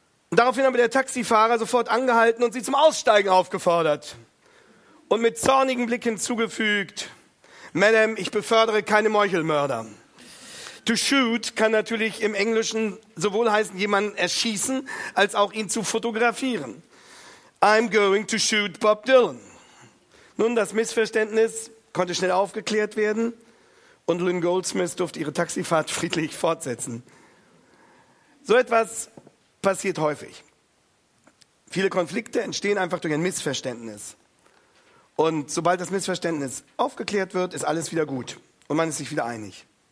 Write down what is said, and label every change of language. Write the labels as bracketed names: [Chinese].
[German] Und daraufhin haben wir der Taxifahrer sofort angehalten und sie zum Aussteigen aufgefordert und mit zornigen Blicken zugefügt, Madam, ich befördere keine Meuchelmörder. [English] To shoot [German] kann natürlich im Englischen sowohl heißen, jemanden erschießen, als auch ihn zu fotografieren. [English] I'm going to shoot Bob Dylan. [German] Nun, das Missverständnis konnte schnell aufgeklärt werden und Lynn Goldsmith durfte ihre Taxifahrt friedlich fortsetzen. So etwas passiert häufig. Viele Konflikte entstehen einfach durch ein Missverständnis. Und sobald das Missverständnis aufgeklärt wird, ist alles wieder gut und man ist sich wieder einig.